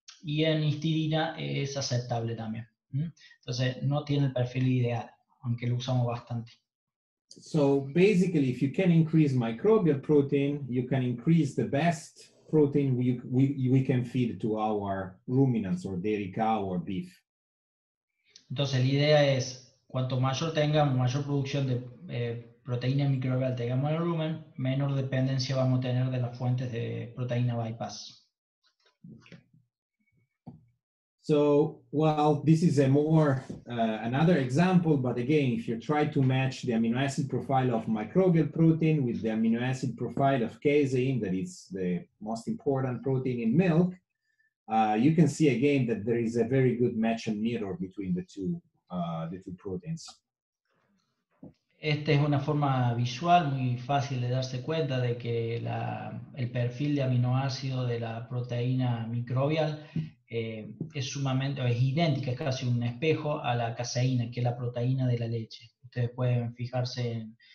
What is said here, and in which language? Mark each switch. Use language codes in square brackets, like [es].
[es] Y en histidina es aceptable también. Entonces, no tiene el perfil ideal, aunque lo usamos bastante. [en] So, basically, if you can increase microbial protein, you can increase the best protein we can feed to our ruminants or dairy cow or beef. [es] Entonces, la idea es cuanto mayor tengamos, mayor producción de proteína microbial tengamos en el rumen, menor dependencia vamos a tener de las fuentes de proteína bypass. [en] So, well, this is a more another example, but again, if you try to match the amino acid profile of microbial protein with the amino acid profile of casein, that is the most important protein in milk, you can see again that there is a very good match and mirror between the two proteins. [es] Esta es una forma visual muy fácil de darse cuenta de que el perfil de aminoácido de la proteína microbial es sumamente, es idéntica, es casi un espejo a la caseína, que es la proteína de la leche. Ustedes pueden fijarse